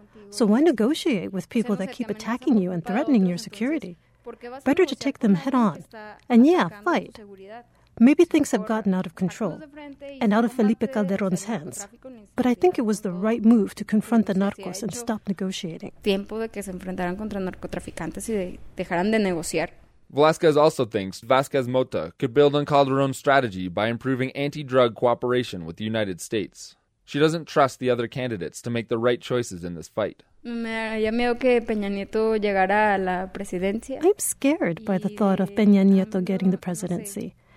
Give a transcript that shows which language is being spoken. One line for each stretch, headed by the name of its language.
English: So why negotiate with people that keep attacking you and threatening your security? Better to take them head on, and yeah, fight. Maybe things have gotten out of control and out of Felipe Calderón's hands, but I think it was the right move to confront the narcos and stop negotiating.
Spanish: Tiempo de que se enfrentaran contra narcotraficantes y dejaran de negociar.
English: Velázquez also thinks Vázquez Mota could build on Calderón's strategy by improving anti-drug cooperation with the United States. She doesn't trust the other candidates to make the right choices in this fight. I'm scared by the thought of Peña Nieto getting the presidency.